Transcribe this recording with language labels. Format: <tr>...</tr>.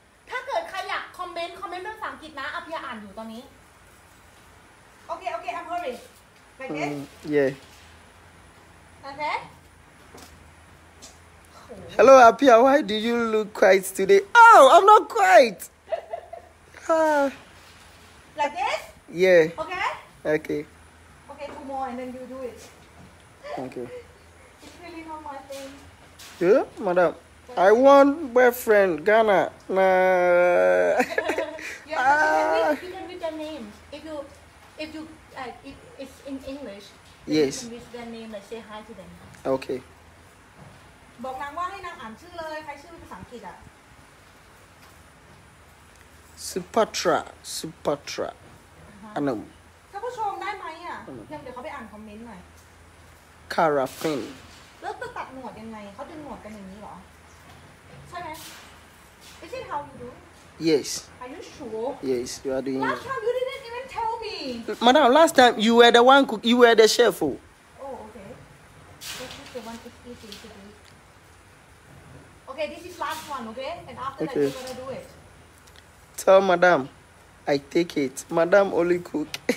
<th>ถ้าเกิดใครอยากคอมเมนต์ภาษาอังกฤษนะอภิญาอ่านอยู่ตอนนี้</th> <en>Okay, I'm hurry. Like this? Yeah. Okay. Hello, Apia. Why do you look quiet today? Oh, I'm not quiet. Like this? Yeah. Okay. Okay. Okay, two more and then you do it. Okay. It's really not my thing. Yeah, madam. I want boyfriend, Ghana. Nah. you can read their name. If you it's in English, yes. You can read their name and say hi to them. Okay.</en> <th>บอกนางว่าให้นางอ่านชื่อเลยใครชื่อภาษาอังกฤษอ่ะ สุภัทราสุภัทราอันนึง ท่านผู้ชมได้ไหมอ่ะยังเดี๋ยวเขาไปอ่านคอมเมนต์หน่อย คาราฟิน แล้วจะตัดหนวดยังไงเขาดึงหนวดกันอย่างนี้เหรอใช่ไหม</th> <en>Is it how you dodo? Yes Are you sure? Yes, you are doing Last time you didn't even tell me Madam, last time you were the one cook, you were the chef. Oh, okay This is the one it's easy to do Okay, this is last one, okay? And after okay. that you're gonna do it Tell madam, I take it. Madam only cook.</en>